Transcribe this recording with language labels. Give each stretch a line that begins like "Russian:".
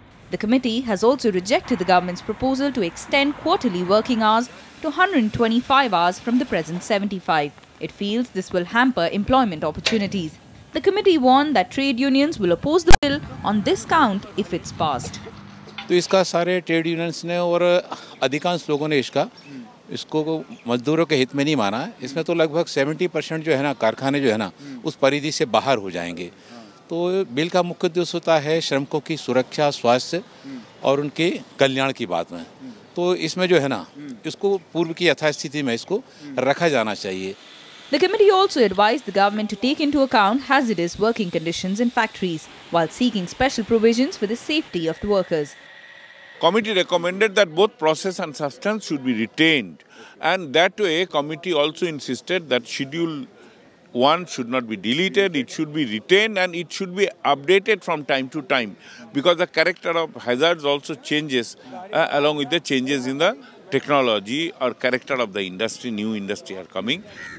English: The committee has also rejected the government's proposal to extend quarterly working hours to 125 hours from the present 75. It feels this will hamper employment opportunities. The committee warned that trade unions will oppose the bill on this count if it's passed.
Hindi: तो इसका सारे trade unions ने और अधिकांश लोगों ने इसको मजदूरों के हित में नहीं माना. इसमें तो लगभग 70% जो है ना कारखाने जो है ना उस परिधि से बाहर हो जाएंगे. तो बिल का मुख्य उद्देश्य होता है श्रमिकों की सुरक्षा, स्वास्थ्य और उनके कल्याण की बात में. तो इसमें जो है ना इसको पूर्व की यथास्थिति में इसको रखा जाना चाहिए.
English: The committee also advised the government to take into account hazardous working conditions in factories while seeking special provisions for the safety of the workers. Committee recommended that both process and substance should be retained, and that way committee also insisted that schedule 1 should not be deleted, it should be retained and it should be updated from time to time because the character of hazards also changes along with the changes in the technology or character of the industry, new industry are coming.